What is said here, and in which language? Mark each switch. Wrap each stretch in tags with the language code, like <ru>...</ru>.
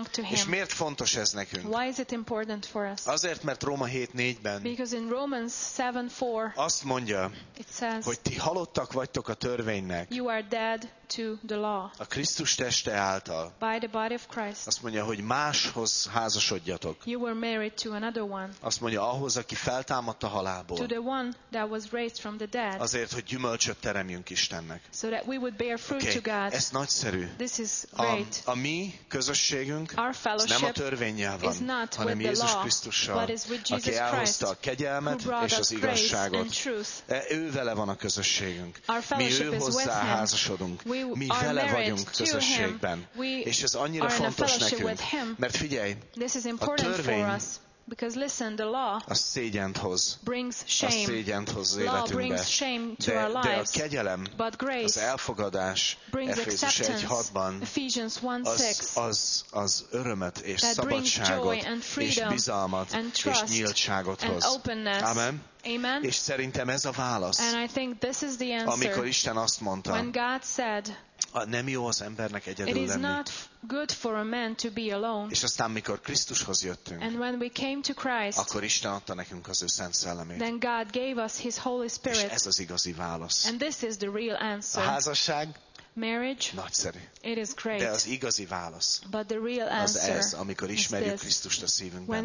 <hu>És miért fontos ez nekünk? Azért, mert Róma 7.4-ben azt mondja,</hu> <en>says,</en> <hu>hogy ti halottak vagytok a törvénynek,</hu> <en>you are dead to the law,</en> <hu>a Krisztus teste által.</hu> <en>By the body of Christ.</en> <hu>Azt mondja, hogy máshoz házasodjatok.</hu> <en>You were married to another one.</en> <hu>Azt mondja, ahhoz, aki feltámadt a halálból.</hu> <en>To the one that was raised from the dead.</en> <hu>Azért, hogy gyümölcsöt teremjünk Istennek.</hu> <en>So that we we would bear fruit to God.</en> <hu>Ez nagyszerű.</hu> <en>This is great.</en> <hu>A mi közösségünk nem a törvénnyel van, hanem Jézus Krisztussal, aki elhozta a kegyelmet és az igazságot. Ő vele van a közösségünk. Mi őhozzá házasodunk. Mi vele vagyunk közösségben. És ez annyira fontos nekünk. Mert figyelj, a törvény</hu> <en>because listen, the law brings shame.</en> <hu>A szégyent hoz az életünkbe.</hu> <en>Law brings shame to our lives.</en> <hu>De a kegyelem,</hu> <en>but grace</en> <hu>az elfogadás,</hu> <en>brings acceptance. Ephesians 1:6.</en> <hu>Az örömet és szabadságot és bizalmat és nyíltságot hoz. Amen. Amen. És szerintem ez a válasz.</hu> <en>And I think this is the answer.</en> <hu>Amikor Isten azt mondta.</hu> <en>When God said,</en> <hu>nem jó az embernek egyedül lenni.</hu> <en>It is not good for a man to be alone.</en> <hu>És aztán, mikor Krisztushoz jöttünk,</hu> <en>and when we came to Christ,</en> <hu>akkor Isten adta nekünk az ő Szent Szellemét.</hu> <en>Then God gave us His Holy Spirit.</en> <hu>És ez az igazi válasz.</hu> <en>And this is the real answer.</en> <hu>A házasság,</hu> <en>marriage,</en> <hu>nagyszerű.</hu> <en>It is great.</en> <hu>De az igazi válasz,</hu> <en>but the real answer,</en> <hu>az ez, amikor ismerjük Krisztust a szívünkben,</hu>